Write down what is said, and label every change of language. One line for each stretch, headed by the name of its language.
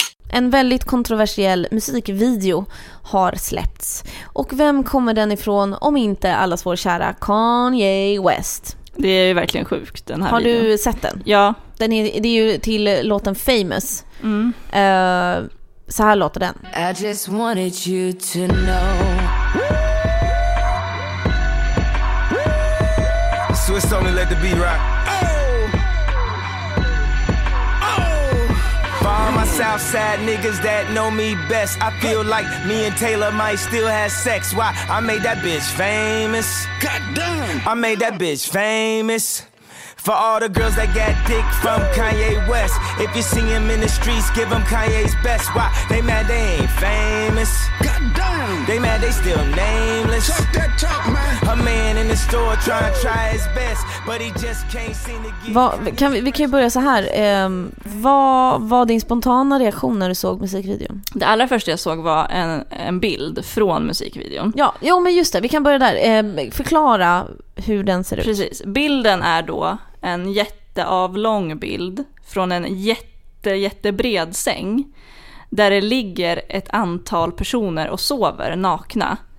Swedish: En väldigt kontroversiell musikvideo har släppts. Och vem kommer den ifrån om inte allas vår kära Kanye West? Det är ju verkligen sjukt, den här har videon. Har du sett den? Ja. Det är ju till låten Famous. Mm. Så här låter den.
English: I just wanted you to know. Swiss only let the beat rock. South side niggas that know me best. I feel like me and Taylor might still have sex. Why? I made that bitch famous. Goddamn. I made that bitch famous. For all the girls that got dick from Kanye West. If you see him in the streets, give him Kanye's best. Why? They mad they ain't famous. Goddamn. They mad they still nameless. Talk that talk, man. A man in the store trying to try his best, but he just can't seem to get.
Swedish: Vi kan ju börja så här. Vad var din spontana reaktion när du såg musikvideon? Det allra första jag såg var en bild från musikvideon. Ja, jo, men just det. Vi kan börja där. Förklara hur den ser ut. Precis. Bilden är då en jätteavlång bild från en jättebred säng där det ligger ett antal personer och sover nakna.